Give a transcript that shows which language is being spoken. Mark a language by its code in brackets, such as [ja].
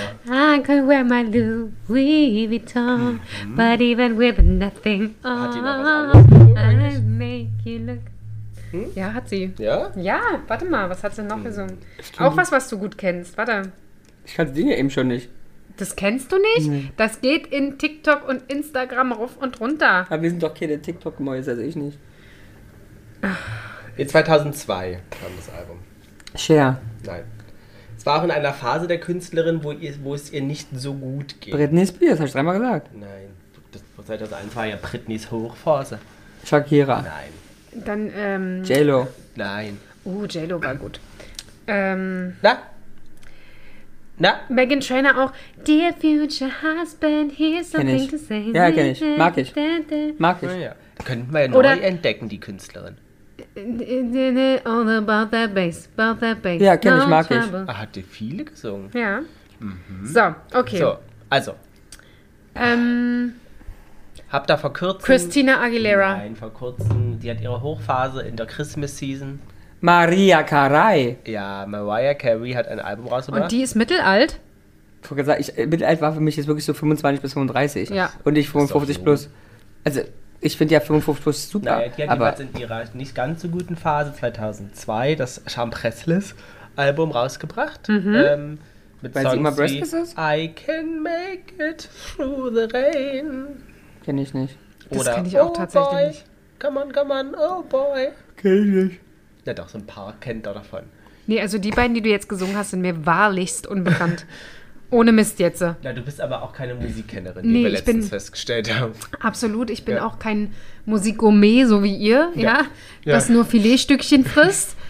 [en] I could wear my Louis Vuitton, but even with nothing on, I'll make you look. [de] Ja, hat sie. Ja? Ja, warte mal, was hat sie noch gesungen? Auch was du gut kennst, warte. Ich kannte die ja eben schon nicht. Das kennst du nicht? Nee. Das geht in TikTok und Instagram rauf und runter. Aber wir sind doch keine TikTok-Mäuse, also ich nicht. In 2002 kam das Album. Cher. Nein. Es war auch in einer Phase der Künstlerin, wo es ihr nicht so gut ging. Britney Spears, hast du dreimal gesagt. Nein. Das, 2001 war ja Britneys Hochphase. Shakira. Nein. Dann, J-Lo. Nein. J-Lo war gut. Na? Meghan Trainor auch. [en] Dear future husband, here's something to say. [de] Ja, kenn ich. Mag ich. Mag ich. Ja, ja. Könnten wir ja neu entdecken, die Künstlerin. [en] All about that bass, about that bass. [de] Ja, kenn ich, mag ich. Ah, hat die viele gesungen? Ja. Mhm. So, okay. So, also. Hab da vor kurzem... Christina Aguilera. Nein, vor kurzem. Die hat ihre Hochphase in der Christmas-Season. Mariah Carey. Ja, Mariah Carey hat ein Album rausgebracht. Und die ist mittelalt? Ich wollte gesagt, mittelalt war für mich jetzt wirklich so 25 bis 35. Ja. Und ich 55 plus. Also, ich finde ja 55 plus super. Naja, die hat jeweils in ihrer nicht ganz so guten Phase 2002 das Chambresles-Album rausgebracht. Mhm. Mit Songs wie Breastless? [en] I can make it through the rain. [de] Kenn ich nicht. Oder das kenn ich auch tatsächlich nicht. [en] Come on, come on, oh boy. [de] Kenn ich nicht. Ja doch, so ein paar kennt er davon. Nee, also die beiden, die du jetzt gesungen hast, sind mir wahrlichst unbekannt. Ohne Mist jetzt. Ja, du bist aber auch keine Musikkennerin, wie wir letztens festgestellt haben. Absolut, ich bin auch kein Musikgourmet, so wie ihr, das nur Filetstückchen frisst.